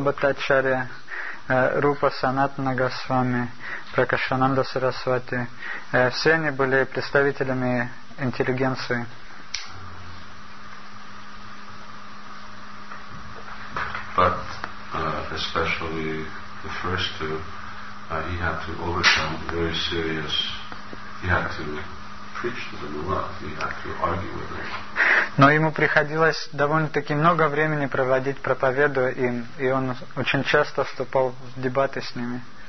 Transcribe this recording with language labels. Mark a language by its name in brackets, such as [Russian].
[Russian] Бхаттачарья, Рупа Санатана Госвами, Пракашананда Сарасвати, все они были представителями интеллигенции. [English] But especially the first two, he had to overcome very serious. He had to preach to them a lot. He had to argue with them. [Russian] Но ему приходилось довольно-таки много времени проводить проповедуя им, и он очень часто вступал в дебаты с ними.